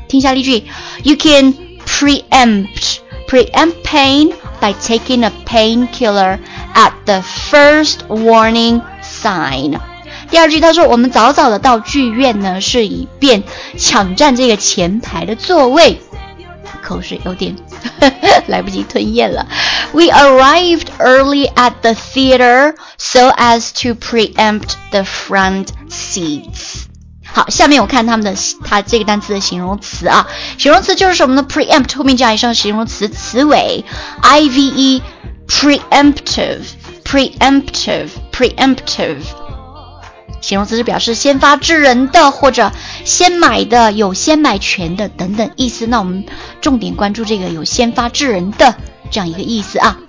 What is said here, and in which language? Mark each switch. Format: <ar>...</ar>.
<en>听一下例句， You can preempt pain by taking a painkiller at the first warning sign。</en> <zh>第二句他说我们早早的到剧院呢，是以便抢占这个前排的座位。口水有点来不及吞咽了。</zh> <en>We arrived early at the theater so as to preempt the front seats。</en> <zh>好，下面我看他们的他这个单词的形容词啊，形容词就是什么呢？ preempt 后面加以上形容词词尾 ive， preemptive 形容词是表示先发制人的，或者先买的，有先买权的等等意思。那我们重点关注这个有先发制人的这样一个意思啊。</zh>